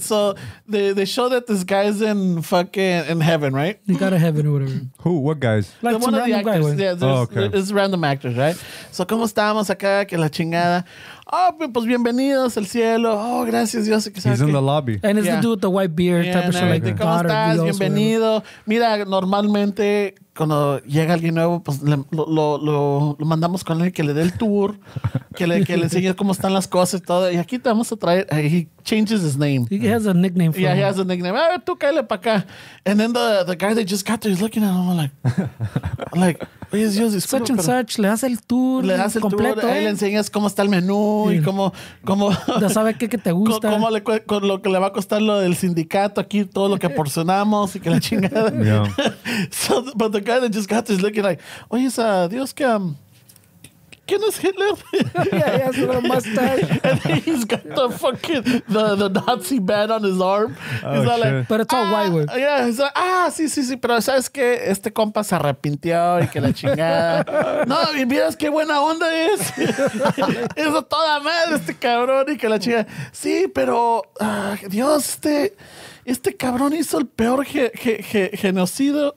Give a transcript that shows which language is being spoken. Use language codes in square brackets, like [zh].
[en] So they show that this guy's in heaven, right? He got a heaven or whatever. Who? What guys? Like one of the actors. Guy, yeah, it's random actors, right? So, [es] ¿cómo estamos acá? Que la chingada. Oh, pues bienvenidos al cielo. Oh, gracias Dios. [en] He's in the lobby. And it's the dude with the white beard type of shit. Like, [es] ¿cómo estás? Bienvenido. Mira, normalmente cuando llega alguien nuevo, pues lo mandamos con él que le dé el tour, que le enseñe cómo están las cosas y todo. Y aquí te vamos a traer. [en] He changes his name. He has a nickname for him. Yeah, he has a nickname. [es] Ah, tú cállate para acá. [en] And then the guy that just got there is looking at him like, [es] oye, Dios, disculpa, [en] such and such, [es] le das el tour. Le das el completo, tour. Ahí le enseñas cómo está el menú y cómo. Ya sabe qué te gusta. Cómo le con lo que le va a costar lo del sindicato aquí, todo lo que porcionamos y que la chingada. [en] Yeah. So, but the guy that just got this looking like, [es] oye, es a Dios que. ¿Quién es Hitler? [en] Yeah, he has a little mustache. And he's got the fucking, the Nazi band on his arm. Oh, he's sure. Like, but it's all white work. Yeah, he's like, [es] sí, pero ¿sabes qué? Este compa se arrepintió y que la chingada. No, y miras qué buena onda es. Es toda madre este cabrón y que la chingada. Sí, pero Dios, este cabrón hizo el peor genocidio.